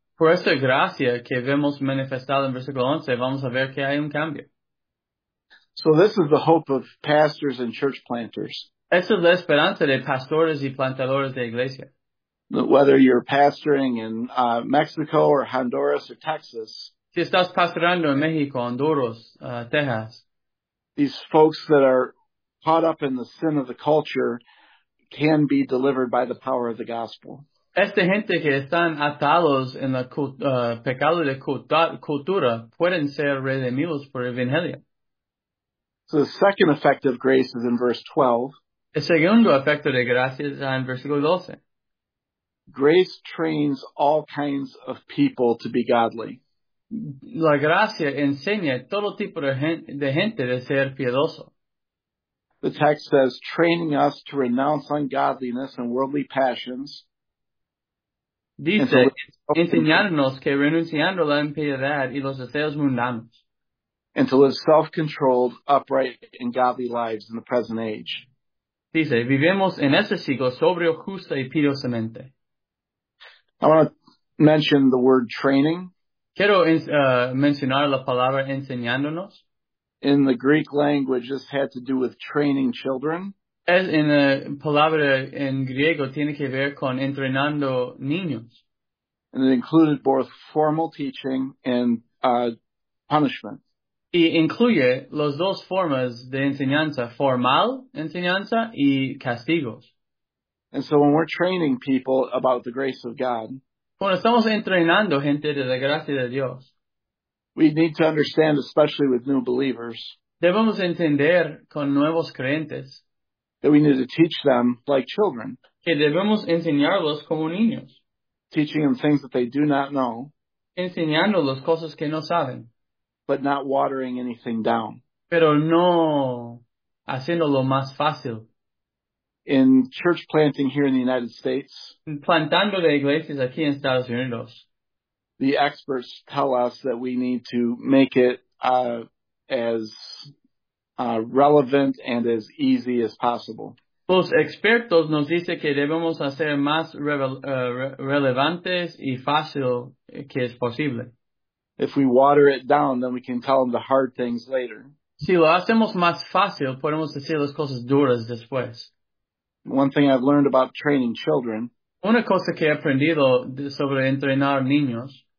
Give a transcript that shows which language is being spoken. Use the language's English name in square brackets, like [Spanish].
[Spanish] Por esta gracia que vemos manifestada en versículo 11, vamos a ver que hay un cambio. [English] So this is the hope of pastors and church planters. [Spanish] Esta es la esperanza de pastores y plantadores de iglesia. [English] Whether you're pastoring in Mexico or Honduras or Texas. [Spanish] Si estás pastorando en México, Honduras, Texas. [English] These folks that are caught up in the sin of the culture can be delivered by the power of the gospel. [Spanish] Esta gente que están atados en la pecado de cultura pueden ser redimidos por el evangelio. [English] So the second effect of grace is in verse 12. [Spanish] El segundo efecto de gracia está en versículo 12. [English] Grace trains all kinds of people to be godly. [Spanish] La gracia enseña todo tipo de gente de ser piadoso. [English] The text says, training us to renounce ungodliness and worldly passions. [Spanish] Dice, enseñarnos que renunciando a la impiedad y los deseos mundanos. [English] And to live self-controlled, upright, and godly lives in the present age. [Spanish] Dice, vivimos en este siglo sobrio, justo y piadosamente. [English] I want to mention the word training. [Spanish] Quiero mencionar la palabra enseñándonos. [English] In the Greek language, this had to do with training children. As in the [Spanish] palabra en griego, tiene que ver con entrenando niños. [English] And it included both formal teaching and punishment. [Spanish] Y incluye las dos formas de enseñanza, formal enseñanza y castigos. [English] And so when we're training people about the grace of God, [Spanish] Bueno, estamos entrenando gente de la gracia de Dios. [English] We need to understand, especially with new believers, [Spanish] debemos entender con nuevos creyentes [English] that we need to teach them like children. [Spanish] Que debemos enseñarlos como niños. [English] Teaching them things that they do not know. [Spanish] Enseñándolos cosas que no saben. [English] But not watering anything down. [Spanish] Pero no haciéndolo más fácil. [English] In church planting here in the United States, [Spanish] plantando de iglesias aquí en Estados Unidos, [English] the experts tell us that we need to make it as relevant and as easy as possible. [Spanish] Los expertos nos dicen que debemos hacer más relevantes y fácil que es posible. [English] If we water it down, then we can tell them the hard things later. [Spanish] Si lo hacemos más fácil, podemos decir las cosas duras después. [English] One thing I've learned about training children, [Spanish] una cosa que he aprendido sobre entrenar niños,